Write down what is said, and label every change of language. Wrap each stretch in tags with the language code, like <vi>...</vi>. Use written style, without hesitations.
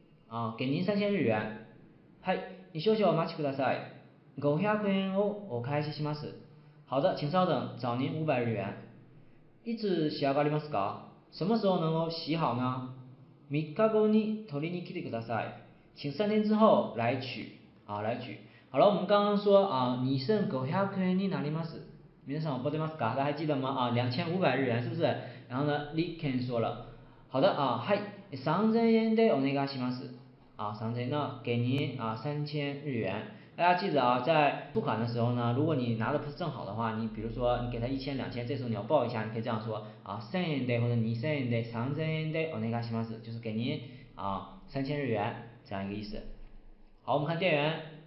<zh>啊，给您3000日元。</zh> <ja>はい、你少々お待ちください。 500円をお返しします。</ja> <zh>好的，请稍等，找您500日元。</zh> <ja>いつ仕上がりますか？</ja> <zh>什么时候能够洗好呢？</zh> <ja>3日後に取りに来てください。</ja> <zh>请三天之后来取。啊，来取。好了，我们刚刚说啊，你剩狗下可以你哪里吗？是，</zh> <ja>皆さん覚えてますか？</ja> <zh>大家还记得吗？啊，2500日元是不是？然后呢，李健说了，好的啊，</zh> <ja>はい、3000円でお願いします。</ja> <zh>啊，3000那给您啊3000日元。大家记得啊，在付款的时候呢，如果你拿的不是正好的话，你比如说你给他1000、2000，这时候你要报一下，你可以这样说啊，1000円で或者</zh> <ja>2000円で3000円でお願いします，</ja> <zh>就是给您啊3000日元这样一个意思。好，我们看店员。</zh>